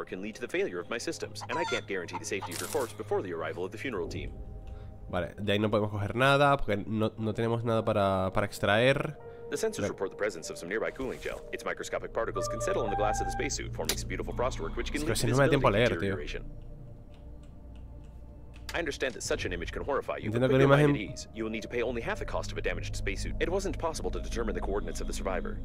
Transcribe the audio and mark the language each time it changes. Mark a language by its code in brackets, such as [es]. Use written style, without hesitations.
[en] Can lead to the failure of my systems, and I can't guarantee the safety of your corpse before the arrival of the funeral team. [es] Vale, de ahí no podemos coger nada porque no tenemos nada para extraer. [en] The sensors report the presence of some nearby cooling gel. Its microscopic particles can settle on the glass of the spacesuit, forming some beautiful frostwork, which can lead to visibility deterioration. I understand that such an image can horrify you, but you might at ease. You will need to pay only half the cost of a damaged spacesuit. It wasn't possible to determine the coordinates of the survivor.